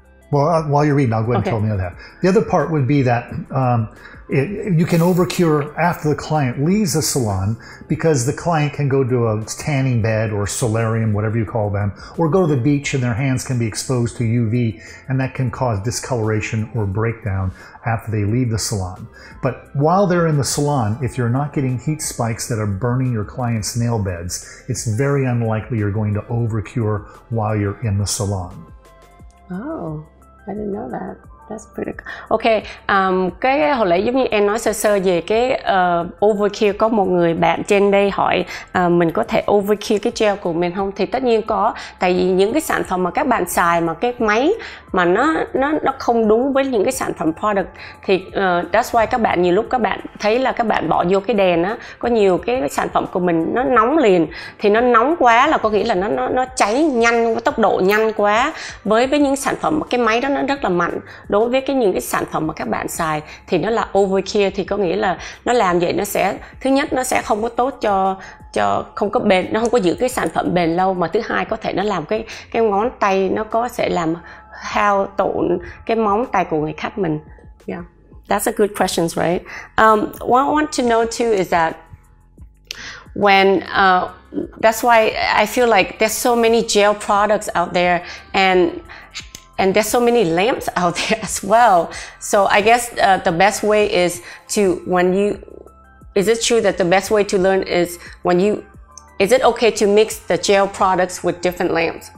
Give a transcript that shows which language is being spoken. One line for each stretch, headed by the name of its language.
English: While you're reading, I'll go ahead okay. and tell them the other half. The other part would be that you can overcure after the client leaves the salon, because the client can go to a tanning bed or solarium, whatever you call them, or go to the beach and their hands can be exposed to UV, and that can cause discoloration or breakdown after they leave the salon. But while they're in the salon, if you're not getting heat spikes that are burning your client's nail beds, it's very unlikely you're going to overcure while you're in the salon. Oh, I didn't know that. That's pretty good.
Vietnamese: Ok, cái hồi nãy giống như em nói sơ sơ về cái overkill, có một người bạn trên đây hỏi mình có thể overkill cái gel của mình không? Thì tất nhiên có, tại vì những cái sản phẩm mà các bạn xài mà cái máy mà nó không đúng với những cái sản phẩm product, thì
English: that's why
Vietnamese: các bạn nhiều lúc các bạn thấy là các bạn bỏ vô cái đèn á, có nhiều cái sản phẩm của mình nó nóng liền, thì nó nóng quá là có nghĩa là nó cháy nhanh, tốc độ nhanh quá với những sản phẩm mà cái máy đó nó rất là mạnh. Đối với những cái sản phẩm mà các bạn xài thì nó là overkill, thì có nghĩa là nó làm vậy nó sẽ, thứ nhất nó sẽ không có tốt cho không có bền, nó không có giữ cái sản phẩm bền lâu, mà thứ hai có thể nó làm cái ngón tay nó có sẽ làm hao tổn cái móng tay của người khách mình.
English: Yeah, that's a good question, right? What I want to know too is that when that's why I feel like there's so many gel products out there, and there's so many lamps out there as well. So I guess the best way is to, when you, is it true that the best way to learn is when you, is it okay to mix the gel products with different lamps?